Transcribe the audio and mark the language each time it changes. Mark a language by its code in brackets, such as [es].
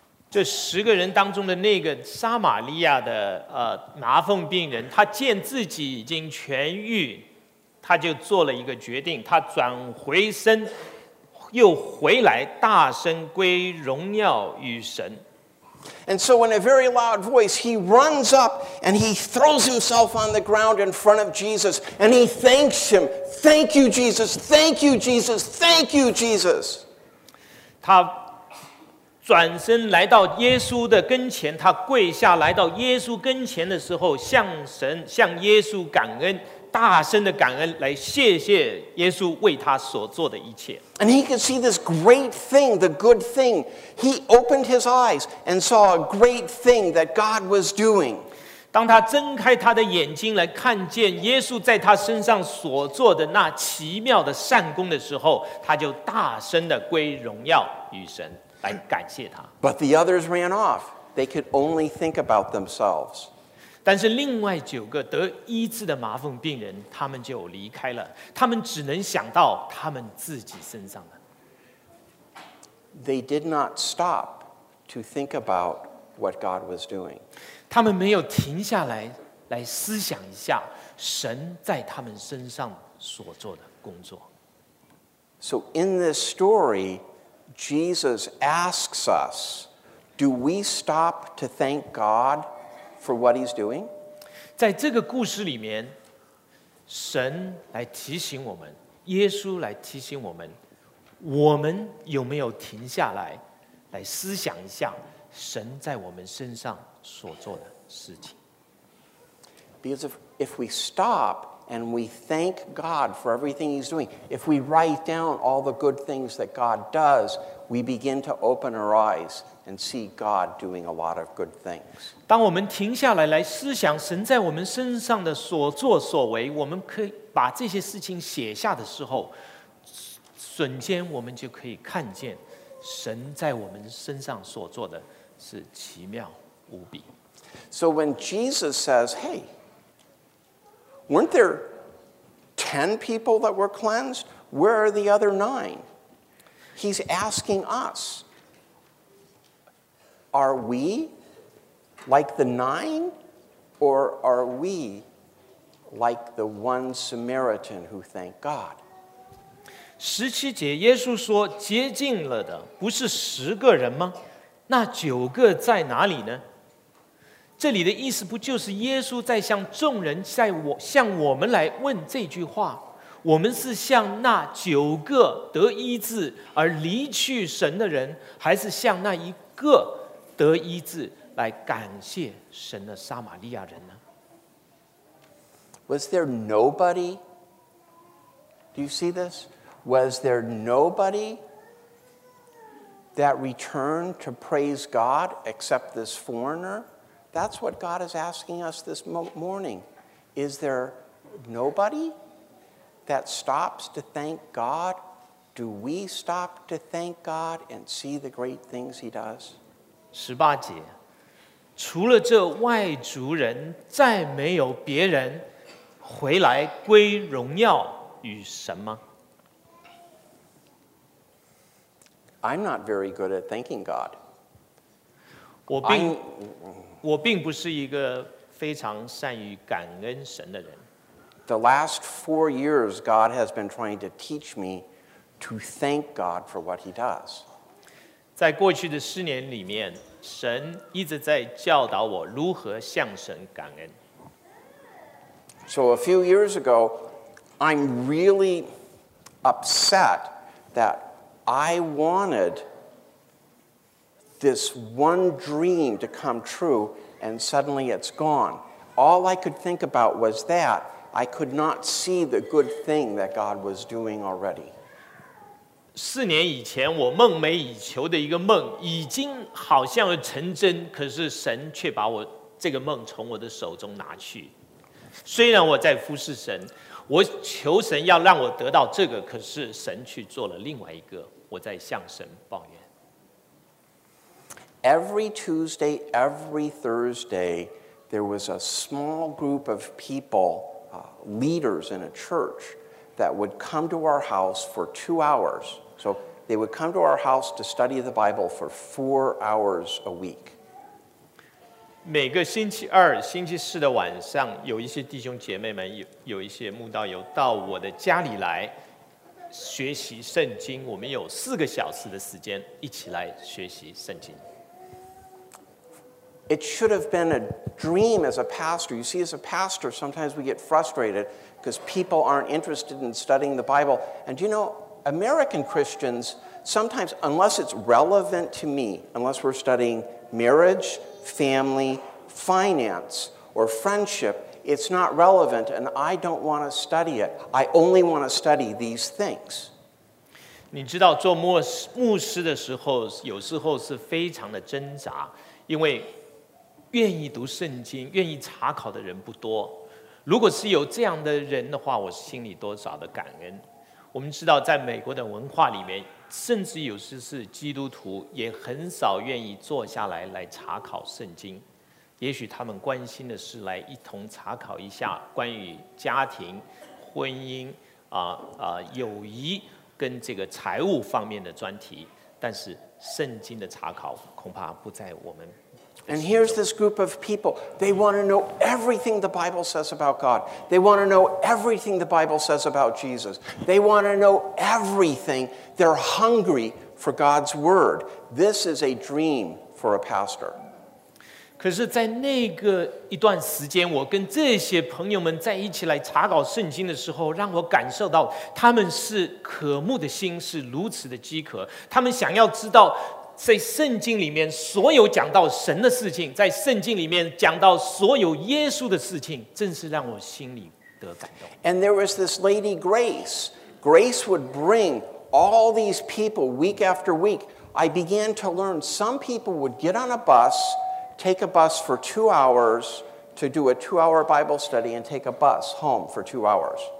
[zh] 这十个人当中的那个撒玛利亚的麻风病人，他见自己已经痊愈，他就做了一个决定，他转回身，又回来大声归荣耀与神。 [en] And so in a very loud voice, he runs up and he throws himself on the ground in front of Jesus and he thanks him. Thank you, Jesus. Thank you, Jesus. Thank you, Jesus. [zh] 他转身来到耶稣的跟前，他跪下来到耶稣跟前的时候，向神向耶稣感恩，大声的感恩，来谢谢耶稣为他所做的一切。 [en] And he could see this great thing, the good thing. He opened his eyes and saw a great thing that God was doing. [zh] 当他睁开他的眼睛来看见耶稣在他身上所做的那奇妙的善功的时候，他就大声的归荣耀与神，来感谢他。 [en] But the others ran off. They could only think about themselves. [zh] 但是另外九个得医治的麻风病人，他们就离开了，他们只能想到他们自己身上的。 [en] They did not stop to think about what God was doing. [zh] 他们没有停下来，来思想一下神在他们身上所做的工作。 [en] So in this story, Jesus asks us, do we stop to thank God? For what he's doing? [zh] 在这个故事里面，神来提醒我们，耶稣来提醒我们，我们有没有停下来，来思想一下神在我们身上所做的事情。 [en] Because if we stop and we thank God for everything he's doing, if we write down all the good things that God does, we begin to open our eyes. And see God doing a lot of good things. [zh] 当我们停下来来思想神在我们身上的所作所为，我们可以把这些事情写下的时候，瞬间我们就可以看见神在我们身上所做的是奇妙无比。 [en] So when Jesus says, "Hey, weren't there 10 people that were cleansed? Where are the other 9?" He's asking us. Are we like the 9, or are we like the one Samaritan who thanked God? [zh] 十七节，耶稣说：“洁净了的不是十个人吗？那九个在哪里呢？” 这里的意思不就是耶稣在向众人，向我们来问这句话？我们是像那九个得医治而离去神的人，还是像那一个？得医治来感谢神的撒玛利亚人呢？ [en] Was there nobody? Do you see this? Was there nobody that returned to praise God except this foreigner? That's what God is asking us this morning. Is there nobody that stops to thank God? Do we stop to thank God and see the great things he does? [zh] 十八节，除了这外族人，再没有别人回来归荣耀与神吗？ [en] I'm not very good at thanking God. [zh] 我并不是一个非常善于感恩神的人。 [en] The last 4 years, God has been trying to teach me to thank God for what he does. [zh] 在过去的四年里面，神一直在教导我如何向神感恩。 [en] So a few years ago, I'm really upset that I wanted this one dream to come true and suddenly it's gone. All I could think about was that I could not see the good thing that God was doing already. [zh] 四年以前我梦寐以求的一个梦已经好像成真，可是神却把我这个梦从我的手中拿去。虽然我在服侍神，我求神要让我得到这个，可是神去做了另外一个，我在向神抱怨。 [en] Every Tuesday, every Thursday, there was a small group of people, leaders in a churchthat would come to our house for 2 hours. So they would come to our house to study the Bible for 4 hours a week. [zh] 每个星期二、星期四的晚上，有一些弟兄姐妹们，有一些慕道友到我的家里来学习圣经。我们有4个小时的时间一起来学习圣经。 [en] It should have been a dream as a pastor. You see, as a pastor, sometimes we get frustrated because people aren't interested in studying the Bible. And you know, American Christians sometimes, unless it's relevant to me, unless we're studying marriage, family, finance, or friendship, it's not relevant, and I don't want to study it. I only want to study these things. [zh] 你知道做牧师的时候，有时候是非常的挣扎，因为愿意读圣经、愿意查考的人不多。如果是有这样的人的话，我心里多少的感恩。我们知道，在美国的文化里面，甚至有时是基督徒，也很少愿意坐下来来查考圣经。也许他们关心的是来一同查考一下关于家庭、婚姻、友谊跟这个财务方面的专题，但是圣经的查考恐怕不在我们。 [en] And here's this group of people. They want to know everything the Bible says about God. They want to know everything the Bible says about Jesus. They want to know everything. They're hungry for God's word. This is a dream for a pastor. [zh] 可是在那个一段时间，我跟这些朋友们在一起来查考圣经的时候，让我感受到他们是渴慕的心是如此的饥渴，他们想要知道在圣经里面所有讲到神的事情，在圣经里面讲到所有耶稣的事情，正是让我心里得感动。 [en] And there was this lady Grace. Grace would bring all these people week after week. I began to learn some people would get on a bus, take a bus for 2 hours to do a 2-hour Bible study and take a bus home for 2 hours.